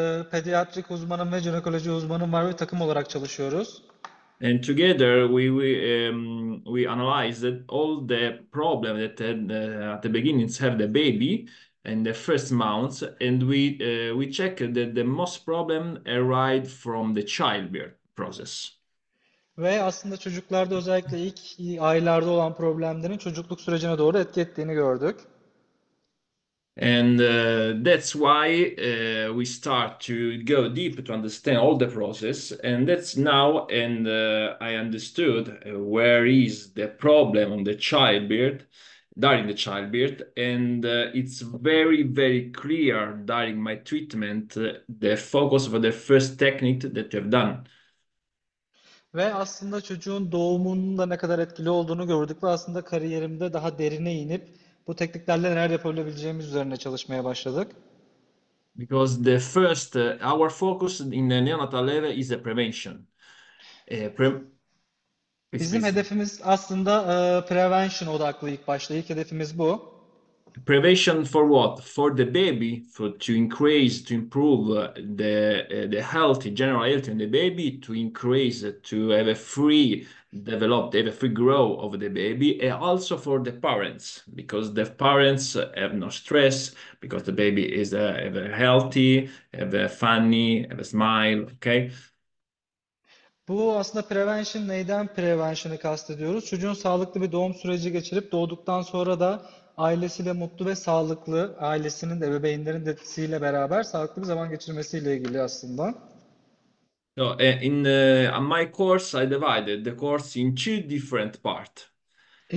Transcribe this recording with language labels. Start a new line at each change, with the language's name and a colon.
Turkish: Pediatrik uzmanım ve jinekoloji uzmanım var ve takım olarak çalışıyoruz.
English: a pediatrician. And together we analyzed all the problems that at the beginnings have the baby and the first months, and we checked that the most problem arrived from the childbirth process.
Turkish: Ve aslında çocuklarda özellikle ilk aylarda olan problemlerin çocukluk sürecine doğru etki ettiğini gördük.
English: And that's why we start to go deep to understand all the process, and that's now. And I understood where is the problem on the childbirth during the childbirth, and it's very, very clear during my treatment the focus of the first technique that you have done.
Turkish: Ve aslında çocuğun doğumunun da ne kadar etkili olduğunu gördük ve aslında kariyerimde daha derine inip bu tekniklerle neler yapabileceğimiz üzerine çalışmaya başladık.
English: Because the first, our focus in the neonatal level is the prevention. Please,
Turkish: Bizim
English: please.
Turkish: hedefimiz aslında prevention odaklı ilk başta. İlk hedefimiz bu.
English: Prevention for what? For the baby, to improve the health, general health in the baby, to increase, to have a free develop, have a free grow of the baby, and also for the parents, because the parents have no stress, because the baby is have a healthy, have a funny, have a smile, okay?
Turkish: Bu aslında prevention, neyden prevention'ı kastediyoruz? Çocuğun sağlıklı bir doğum süreci geçirip doğduktan sonra da ailesiyle mutlu ve sağlıklı, ailesinin de bebeğinlerin desteğiyle beraber sağlıklı bir zaman geçirmesiyle ilgili aslında.
English: So, in my course, I divided the course in two different parts. The